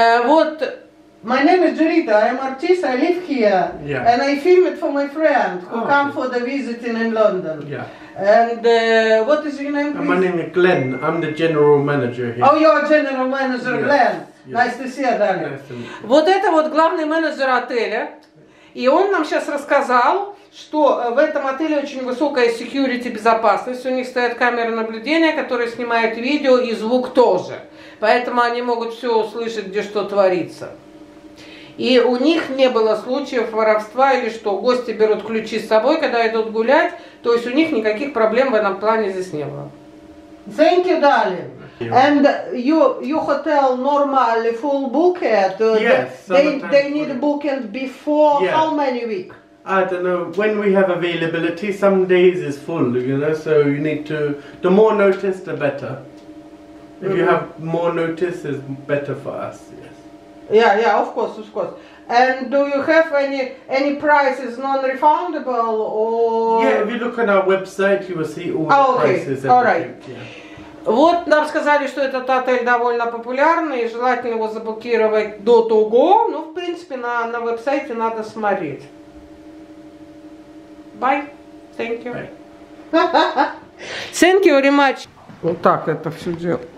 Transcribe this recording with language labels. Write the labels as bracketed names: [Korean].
[English] What? My name is Jurita, I'm artist, I live here, yeah. and I film it for my friend who oh, come for the visiting in London. Yeah. And what is your name, please? My name is Glenn, I'm the general manager here. Oh, you're general manager, yes. Glenn. Yes. Nice to see you, darling. Nice to meet you. [Russian] Вот это вот главный менеджер отеля, и он нам сейчас рассказал, что в этом отеле очень высокая security, безопасность, у них стоят камеры наблюдения, которые снимают видео и звук тоже, поэтому они могут все услышать, где что творится. И у них не было случаев воровства или что. Гости берут ключи с собой, когда идут гулять. То есть у них никаких проблем в этом плане здесь не было. [English] Thank you, darling. And your hotel normally full booked? Yes. They need booking before yeah. how many weeks? I don't know. When we have availability, some days is full, you know. So you need to... The more notice, the better. If you have more notice, it's better for us. Yeah, of course. And do you have any prices non-refundable or... Yeah, if you look on our website, you will see all the okay. prices. Everything. All right. Yeah. [Russian] Вот нам сказали, что этот отель довольно популярный, и желательно его заблокировать до того. Ну, в принципе, на веб-сайте надо смотреть. [English] Bye. Thank you. Bye. Thank you very much. [Russian] Вот так это все дело.